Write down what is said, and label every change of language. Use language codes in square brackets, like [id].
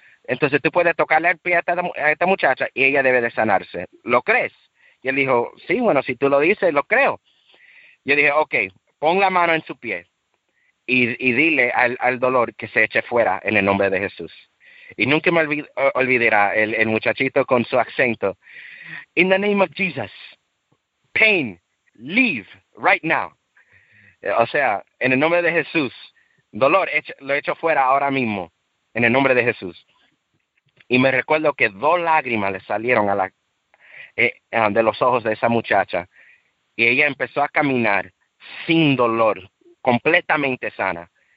[es] Entonces, tú puedes tocarle el pie a esta muchacha y ella debe de sanarse. ¿Lo crees? Y él dijo, sí, bueno, si tú lo dices, lo creo. Yo dije, ok. Pon la mano en su pie y dile al dolor que se eche fuera en el nombre de Jesús. Y nunca me olvidará el muchachito con su acento. [en] In the name of Jesus, pain, leave right now. [es] O sea, en el nombre de Jesús, dolor, lo echo fuera ahora mismo, en el nombre de Jesús. Y me recuerdo que dos lágrimas le salieron de los ojos de esa muchacha y ella empezó a caminar sin dolor, completamente sana.